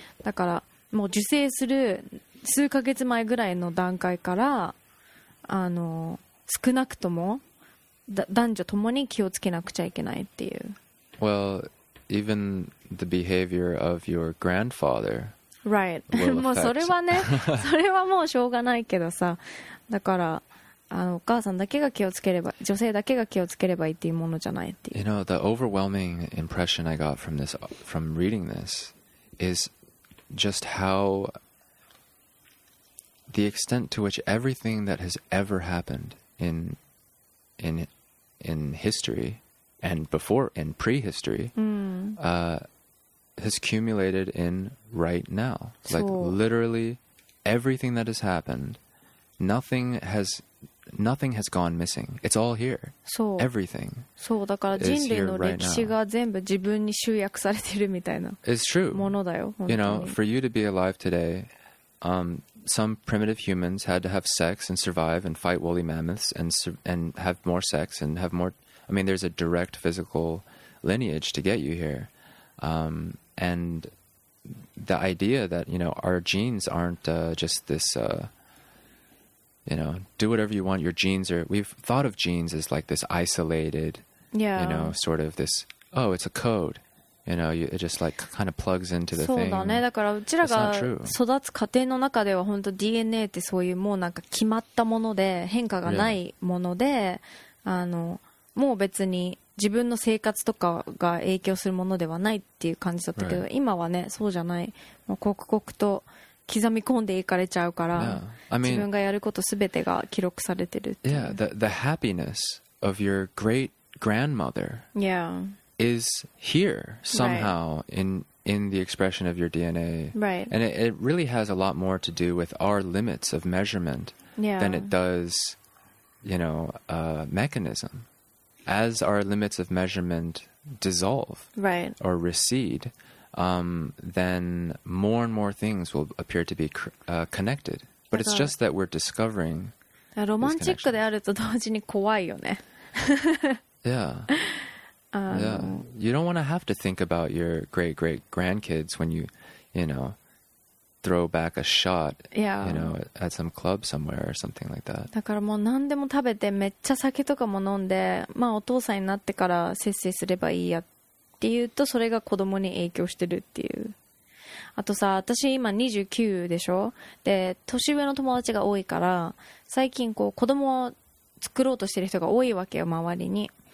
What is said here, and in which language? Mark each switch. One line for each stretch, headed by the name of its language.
Japanese: だからもう受精する数ヶ月前ぐらいの段階から、少なくとも男女ともに気をつけなくちゃいけないっていう。
English: Well, even the behavior of your grandfather. Right.
Japanese: もうそれはね、それはもうしょうがないけどさ。だから、お母さんだけが気をつければ、女性だけが気をつければいいっていうものじゃないっていう。
English: You know, the overwhelming impression I got from this, from reading this, is just how. The extent to which everything that has ever happened in history and before in prehistory、has accumulated in right now. Like literally everything that has happened, nothing has gone missing. It's all here.
Japanese: そう。
English: Everything.
Japanese: そう、だから人類の歴史が全部自分に集約されてるみたいなものだよ。
English: It's true. You know, for you to be alive today, Some primitive humans had to have sex and survive and fight woolly mammoths and have more sex and have more. I mean, there's a direct physical lineage to get you here. And the idea that, you know, our genes aren't just this, you know, do whatever you want. Your genes are. We've thought of genes as like this isolated, yeah. You know, sort of this, oh, it's a code. You know, it just like kind of plugs into the thing.
Japanese: そうだね。だからうちらが育つ過程の中では本当 DNA ってそういうもうなんか決まったもので変化がないもので、
English: yeah.
Japanese: もう別に自分の生活とかが影響するものではないっていう感じだったけど、
English: right.
Japanese: 今はね、そうじゃない。もう刻々と刻み込んでいかれちゃうから、
English: yeah. I mean,
Japanese: 自分がやることすべてが記録されてるっていう。
English: Yeah, the happiness of your great grandmother. Yeah. Is here somehow、right. in the expression of your DNA, right? And it really has a lot more to do with our limits of measurement、 yeah. than it does, you know, mechanism. As our limits of measurement dissolve, right, or recede, then more and more things will appear to be connected. But it's just that we're discovering.
Japanese: ロマンチックであると同時に怖いよね。
English: yeah. Yeah. You don't want to have to think about your great-great-grandkids when you, you know, throw back a shot, yeah. you know, at some club somewhere or something like that.
Japanese: だからもう何でも食べてめっちゃ酒とかも飲んで、まあお父さんになってから節制すればいいやっていうと、それが子供に影響してるっていう。あとさ、私今29でしょ？で、年上の友達が多いから、最近こう子供を作ろうとしてる人が多いわけよ、周りに。